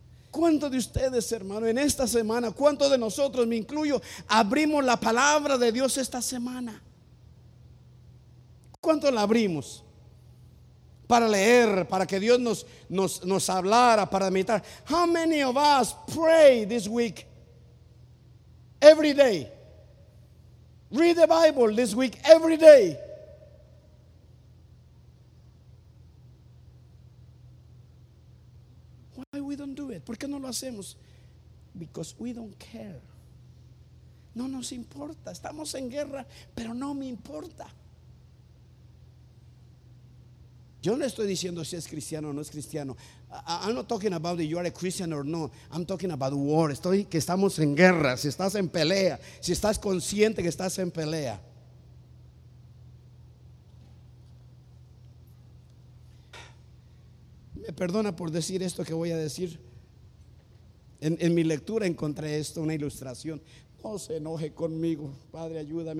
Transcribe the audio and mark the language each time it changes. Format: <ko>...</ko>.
<es>¿Cuántos de ustedes, hermano, en esta semana, cuántos de nosotros, me incluyo, abrimos la palabra de Dios esta semana? ¿Cuántos la abrimos? Para leer, para que Dios nos hablara, para meditar.</es> <en>How many of us pray this week? Every day. Read the Bible this week every day. Why we don't do it?</en> <es>¿Por qué no lo hacemos?</es> <en>Because we don't care.</en> <es>No nos importa. Estamos en guerra, pero no me importa. Yo no estoy diciendo si es cristiano o no es cristiano.</es> <en>I'm not talking about if you are a Christian or no. I'm talking about war.</en> <es>Estoy que estamos en guerra. Si estás en pelea, si estás consciente que estás en pelea. Me perdona por decir esto que voy a decir. En mi lectura encontré esto, una ilustración. No se enoje conmigo. Padre, ayúdame.</es>